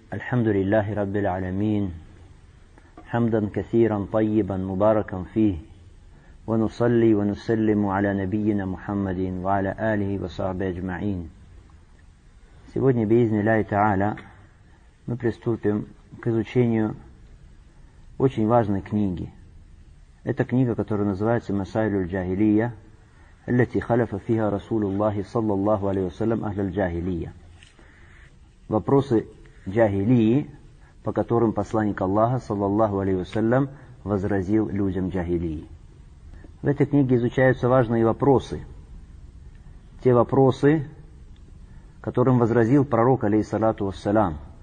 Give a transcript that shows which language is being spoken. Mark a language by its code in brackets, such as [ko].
[ar] الحمد لله رب العالمين، حمدا كثيرا طيبا مباركا فيه، ونصلي ونسلم على نبينا محمد وعلى آله وصحبه أجمعين. [ru] Сегодня [ar] بإذن الله تعالى [ru] мы приступим к изучению очень важной книги. Это книга, которая называется [ar] مسائل الجاهلية التي خلف فيها رسول الله صلى الله عليه وسلم أهل الجاهلية. [ru] Вопросы джахилии, по которым посланник Аллаха, саллаллаху алейхи вассалям, возразил людям джахилии. В этой книге изучаются важные вопросы. Те вопросы, которым возразил пророк, алейхиссалату вассалям.